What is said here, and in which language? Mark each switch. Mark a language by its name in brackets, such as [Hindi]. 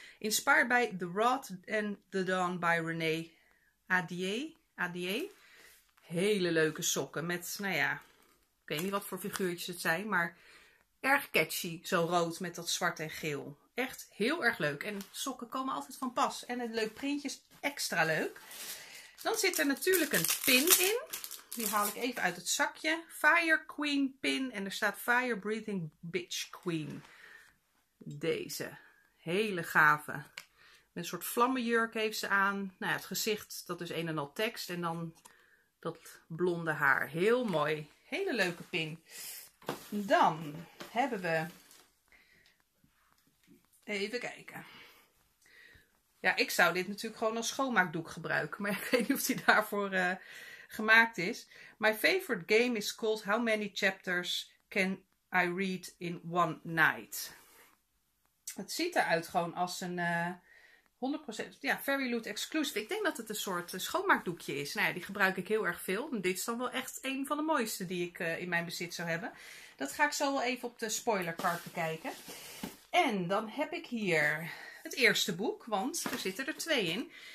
[English] Inspired by The Rod and the Dawn by René Adier. [Dutch] Hele leuke sokken met, nou ja, ik weet niet wat voor figuurtjes het zijn, maar erg catchy, zo rood met dat zwart en geel. Echt heel erg leuk. En sokken komen altijd van pas. En het leuk printje is extra leuk. Dan zit er natuurlijk een pin in. Die haal ik even uit het zakje. Fire Queen pin. En er staat [English] Fire Breathing Bitch Queen. [Dutch] Deze. Hele gave. Met een soort vlammenjurk heeft ze aan. Nou ja, het gezicht, dat is een en al tekst. En dan dat blonde haar. Heel mooi. Hele leuke pin. Dan hebben we... Even kijken. Ja, ik zou dit natuurlijk gewoon als schoonmaakdoek gebruiken. Maar ik weet niet of die daarvoor... gemaakt is. [English] My favorite game is called How Many Chapters Can I Read in One Night? [Dutch] Het ziet eruit gewoon als een 100% ja, Fairyloot exclusive. Ik denk dat het een soort schoonmaakdoekje is. Nou ja, die gebruik ik heel erg veel. En dit is dan wel echt een van de mooiste die ik in mijn bezit zou hebben. Dat ga ik zo wel even op de spoilercard bekijken. En dan heb ik hier het eerste boek, want er zitten er 2 in.